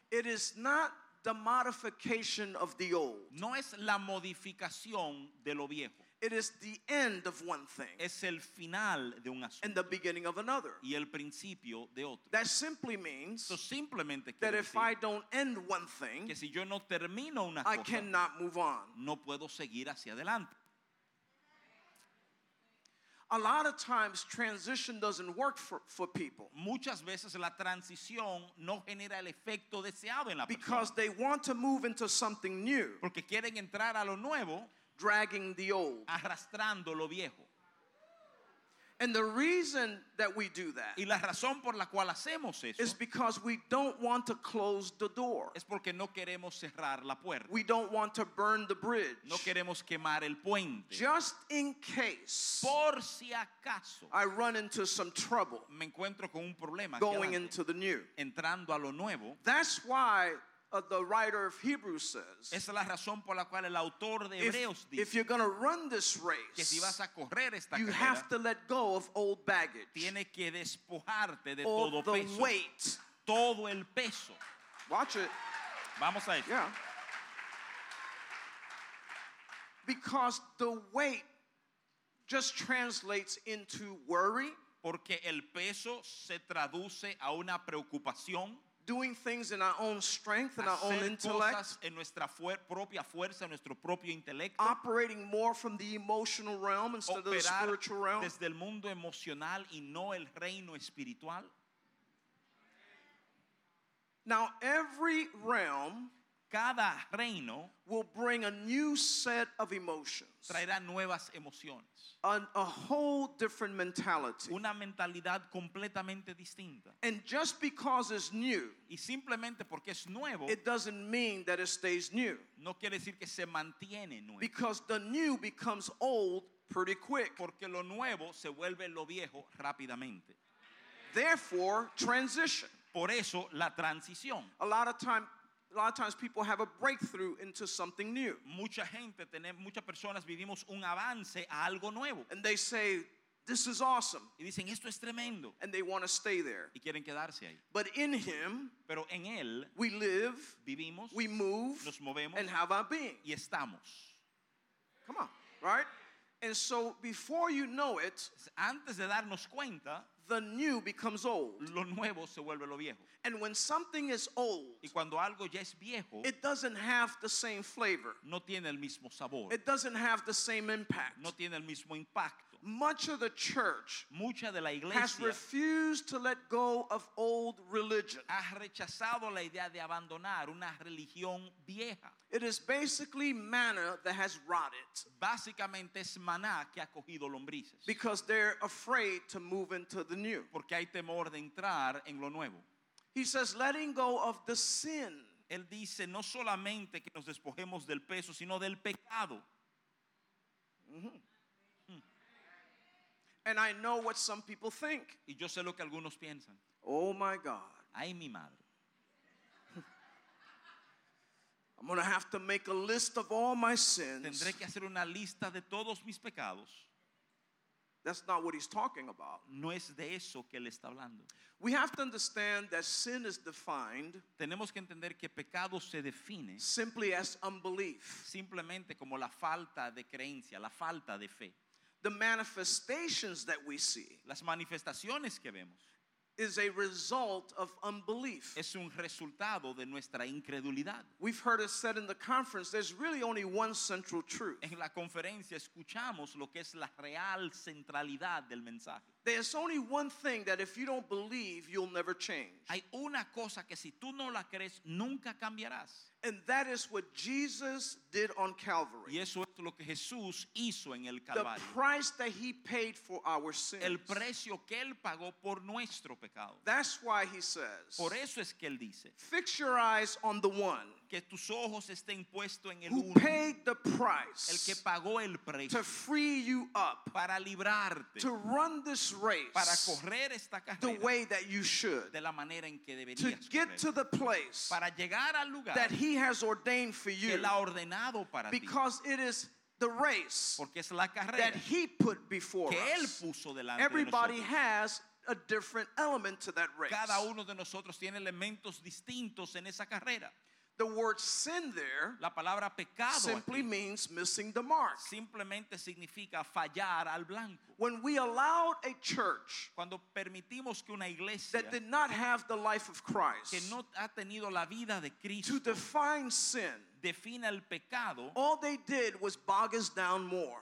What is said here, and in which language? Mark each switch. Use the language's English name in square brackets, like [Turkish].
[English] It is not the modification of the old. [Spanish] No es la modificación de lo viejo. [English] It is the end of one thing. [Spanish] Es el final de un asunto. [English] And the beginning of another. [Spanish] Y el principio de otro. [English] That simply means [Spanish] so simplemente [English] that if I don't end one thing, [Spanish] que si yo no termino una [English] I [Spanish] cosa, [English] cannot move on. [Spanish] No puedo seguir hacia adelante. [English] A lot of times transition doesn't work for people. [Spanish] Muchas veces la transición no genera el efecto deseado en la persona. [English] Because they want to move into something new. [Spanish] Porque quieren entrar a lo nuevo. [English] Dragging the old. [Spanish] Arrastrando lo viejo. [English] And the reason that we do that. [Spanish] Y la razón por la cual hacemos eso. [English] Is because we don't want to close the door. [Spanish] Es porque no queremos cerrar la puerta. [English] We don't want to burn the bridge. [Spanish] No queremos quemar el puente. [English] Just in case. [Spanish] Por si acaso. [English] I run into some trouble. [Spanish] Me encuentro con un problema. [English] Going into the new. [Spanish] Entrando a lo nuevo. [English] That's why. The writer of Hebrews says, [Spanish] es la razón por la cual el autor de Hebreos dice, [English] if you're going to run this race, [Spanish] que si vas a correr esta [English] you [Spanish] carrera, [English] have to let go of old baggage. [Spanish] Tiene que despojarte de todo [English] the [Spanish] peso, [English] weight. [Spanish] Todo el peso. [English] Watch it. [Spanish] Vamos a esto. [English] Yeah. Because the weight just translates into worry. [Spanish] Porque el peso se traduce a una preocupación. [English] Doing things in our own strength and our own intellect. [Spanish] Hacer cosas en nuestra propia fuerza, en nuestro propio intelecto. [English] Operating more from the emotional realm instead of the spiritual realm. [Spanish] Desde el mundo emocional y no el reino espiritual. [English] Now every realm, [Spanish] cada reino, [English] will bring a new set of emotions. [Spanish] Traerá nuevas emociones. [English] A whole different mentality. [Spanish] Una mentalidad completamente distinta. [English] And just because it's new, [Spanish] y simplemente porque es nuevo, [English] it doesn't mean that it stays new. [Spanish] No quiere decir que se mantiene nuevo. [English] Because the new becomes old pretty quick. [Spanish] Porque lo nuevo se vuelve lo viejo rápidamente. [English] Therefore, transition. [Spanish] Por eso la transición. [English] A lot of times people have a breakthrough into something new. [Spanish] Mucha gente, muchas personas vivimos un avance a algo nuevo. [English] And they say, this is awesome. [Spanish] Y dicen, esto es tremendo. [English] And they want to stay there. [Spanish] Y quieren quedarse ahí. [English] But in him, [Spanish] pero en él, [English] we live, [Spanish] vivimos, [English] we move, [Spanish] nos movemos, [English] and have our being. [Spanish] Y estamos. [English] Come on, right? And so before you know it, [Spanish] antes de darnos cuenta, [English] the new becomes old. [Spanish] Lo nuevo se vuelve lo viejo. [English] And when something is old, [Spanish] y cuando algo ya es viejo, [English] it doesn't have the same flavor. [Spanish] No tiene el mismo sabor. [English] It doesn't have the same impact. [Spanish] No tiene el mismo impacto. [English] Much of the church, [Spanish] mucha de la iglesia, [English] has refused to let go of old religion. [Spanish] Ha rechazado la idea de abandonar una religión vieja. [English] It is basically manna that has rotted. [Spanish] Básicamente es maná que ha cogido lombrices. [English] Because they're afraid to move into the new. [Spanish] Porque hay temor de entrar en lo nuevo. [English] He says, letting go of the sin. [Spanish] Él dice, no solamente que nos despojemos del peso, sino del pecado. [English] And I know what some people think. [Spanish] Y yo sé lo que algunos piensan. [English] Oh my God. [Spanish] Ay, mi madre. [English] I'm going to have to make a list of all my sins. [Spanish] Tendré que hacer una lista de todos mis pecados. [English] That's not what he's talking about. [Spanish] No es de eso que él está hablando. [English] We have to understand that sin is defined. [Spanish] Tenemos que entender que pecado se define. [English] Simply as unbelief. [Spanish] Simplemente como la falta de creencia, la falta de fe. [English] The manifestations that we see. [Spanish] Las manifestaciones que vemos. [English] Is a result of unbelief. [Spanish] Es un resultado de nuestra incredulidad. [English] We've heard it said in the conference, there's really only one central truth. [Spanish] En la conferencia escuchamos lo que es la real centralidad del mensaje. [English] There's only one thing that if you don't believe, you'll never change. [Spanish] Hay una cosa que si tú no la crees, nunca cambiarás. [English] And that is what Jesus did on Calvary. [Spanish] Y eso es lo que Jesús hizo en el Calvario. [English] The price that he paid for our sins. [Spanish] El precio que él pagó por nuestro pecado. [English] That's why he says, [Spanish] por eso es que él dice, [English] fix your eyes on the one. [Spanish] Que tus ojos estén puestos en el [English] who [Spanish] uno, [English] paid the price, [Spanish] el que pagó el precio, [English] to free you up, [Spanish] para librarte, [English] to run this race, [Spanish] para correr esta carrera, [English] the way that you should, [Spanish] de la manera en que deberías, [English] to get to the place, [Spanish] para llegar al lugar, [English] that he has ordained for you, [Spanish] que él ha ordenado para ti, [English] because it is the race, [Spanish] porque es la carrera, [English] that he put before [Spanish] que [English] us, [Spanish] que él puso delante, [English] everybody [Spanish] de [English] has a different element to that race, [Spanish] cada uno de nosotros tiene elementos distintos en esa carrera. [English] The word sin there, [Spanish] la palabra pecado, [English] simply [Spanish] aquí, [English] means missing the mark. [Spanish] Simplemente significa fallar al blanco. [English] When we allowed a church, [Spanish] cuando permitimos que una iglesia, [English] that did not have the life of Christ, [Spanish] que no ha tenido la vida de Cristo, [English] to define sin, [Spanish] defina el pecado, [English] all they did was bog us down more.